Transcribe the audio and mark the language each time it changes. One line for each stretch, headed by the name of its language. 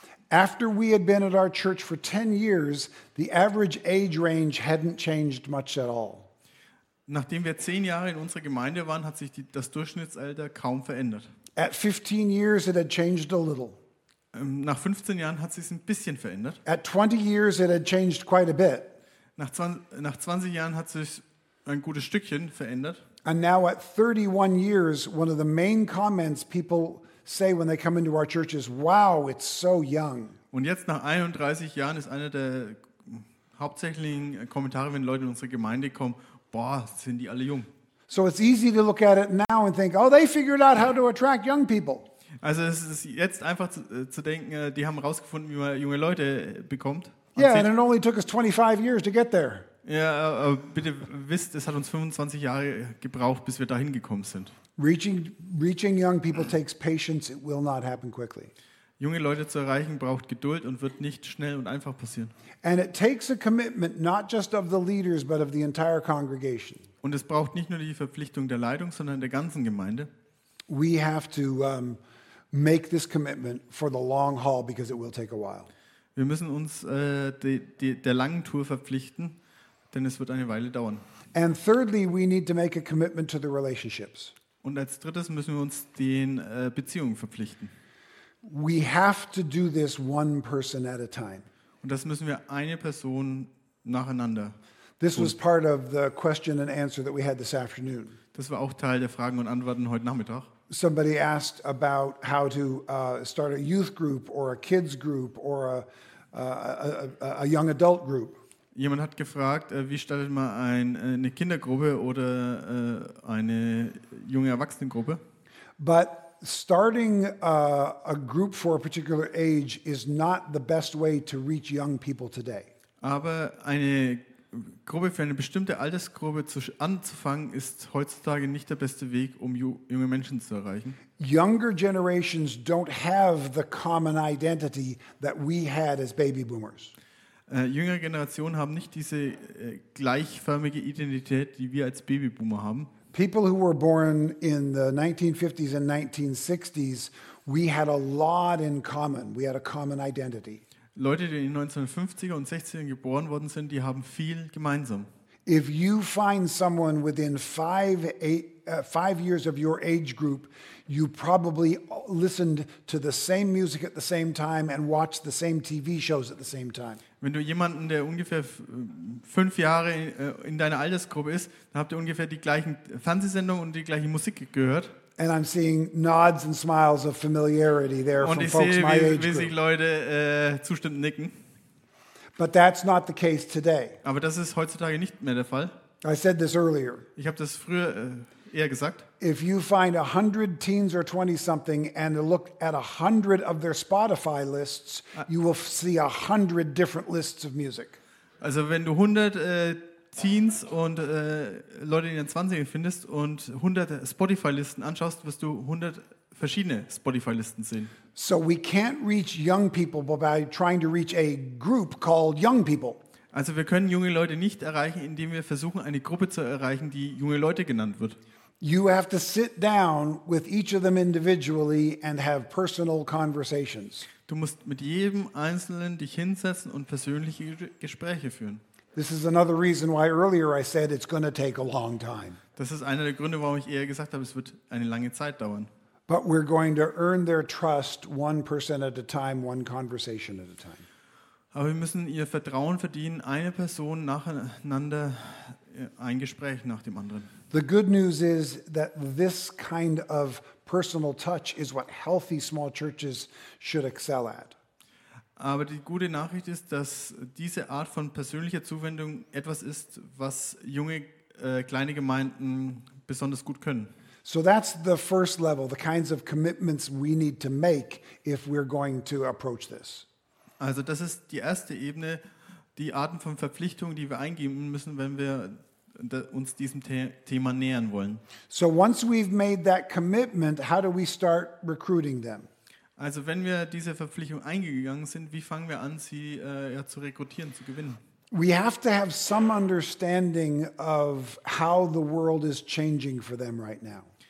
English: After we had been at our church for 10 years, the average age range hadn't changed much at all.
German: Nachdem wir 10 Jahre in unserer Gemeinde waren, hat sich das Durchschnittsalter kaum verändert.
English: At 15 years it had changed a little.
German: Nach 15 Jahren hat sich ein bisschen verändert.
English: At 20 years it had changed quite a bit.
German: Nach 20 Jahren hat sich ein gutes Stückchen verändert.
English: And now at 31 years, one of the main comments people say when they come into our church is, wow, it's so young.
German: Und jetzt nach 31 Jahren ist einer der hauptsächlichen Kommentare, wenn Leute in unsere Gemeinde kommen, boah, sind die alle jung.
English: So it's easy to look at it now and think, oh, they figured out how to attract young people.
German: Also es ist jetzt einfach zu denken, die haben rausgefunden, wie man junge Leute bekommt.
English: Yeah, and it only took us 25 years to get there.
German: Ja, bitte wisst, es hat uns 25 Jahre gebraucht, bis wir dahin gekommen sind.
English: Reaching young people takes patience. It will not happen quickly.
German: Junge Leute zu erreichen braucht Geduld und wird nicht schnell und einfach passieren.
English: And it takes a commitment not just of the leaders, but of the entire congregation.
German: Und es braucht nicht nur die Verpflichtung der Leitung, sondern der ganzen Gemeinde.
English: We have to make this commitment for the long haul because it will take a while.
German: Wir müssen uns der langen Tour verpflichten, denn es wird eine Weile dauern.
English: And thirdly, we need to make a commitment to the relationships.
German: Und als drittes müssen wir uns den Beziehungen verpflichten.
English: We have to do this one person at a time.
German: Und das müssen wir eine Person nacheinander.
English: This was part of the question and answer that we had this afternoon.
German: Das war auch Teil der Fragen und Antworten heute Nachmittag.
English: Somebody asked about how to start a youth group or a kids group or a young adult group.
German: Jemand hat gefragt, wie startet man eine Kindergruppe oder eine junge Erwachsenengruppe?
English: But starting a group for a particular age is not the best way to reach young people today.
German: Aber eine Gruppe für eine bestimmte Altersgruppe anzufangen ist heutzutage nicht der beste Weg, um junge Menschen zu erreichen.
English: Younger generations don't have the common identity that we had as baby boomers.
German: Jüngere Generationen haben nicht diese gleichförmige Identität, die wir als Babyboomer haben.
English: People who were born in the 1950s and 1960s, we had a lot in common. We had a common identity.
German: Leute, die in den 1950er und 60er geboren worden sind, die haben viel gemeinsam.
English: If you find someone within 5 years of your age group, you probably listened to the same music at the same time and watched the same TV shows at the same time.
German: Wenn du jemanden, der ungefähr 5 Jahre in deiner Altersgruppe ist, dann habt ihr ungefähr die gleichen Fernsehsendungen und die gleiche Musik gehört.
English: And I'm seeing nods and smiles of familiarity there
German: und
English: from folks
German: sehe,
English: my age group.
German: Wie sich Leute zustimmend nicken.
English: But that's not the case today.
German: Aber das ist heutzutage nicht mehr der Fall.
English: I said this earlier.
German: Ich habe das früher eher gesagt.
English: If you find 100 teens or 20 something and look at 100 of their Spotify lists, you will see 100 different lists of music.
German: Also wenn du 100 Teens und Leute in den 20ern findest und 100 Spotify-Listen anschaust, wirst du 100 verschiedene Spotify-Listen sehen.
English: So we can't reach young people by trying to reach a group called young people.
German: Also wir können junge Leute nicht erreichen, indem wir versuchen, eine Gruppe zu erreichen, die junge Leute genannt wird.
English: You have to sit down with each of them individually and have personal conversations.
German: Du musst mit jedem Einzelnen dich hinsetzen und persönliche Gespräche führen.
English: This is another reason why earlier I said it's going to take a long time.
German: Das ist einer der Gründe, warum ich eher gesagt habe, es wird eine lange Zeit dauern.
English: But we're going to earn their trust one person at a time, one conversation at a time.
German: Aber wir müssen ihr Vertrauen verdienen, eine Person nacheinander, ein Gespräch nach dem anderen.
English: The good news is that this kind of personal touch is what healthy small churches should excel at.
German: Aber die gute Nachricht ist, dass diese Art von persönlicher Zuwendung etwas ist, was junge kleine Gemeinden besonders gut können.
English: So that's the first level, the kinds of commitments we need to make if we're going to approach this.
German: Also das ist die erste Ebene, die Arten von Verpflichtungen, die wir eingehen müssen, wenn wir uns diesem Thema nähern wollen.
English: So once we've made that commitment, how do we start recruiting them?
German: Also wenn wir diese Verpflichtung eingegangen sind, wie fangen wir an, sie zu rekrutieren, zu gewinnen?
English: We have to have some understanding of how the world is changing for them right now.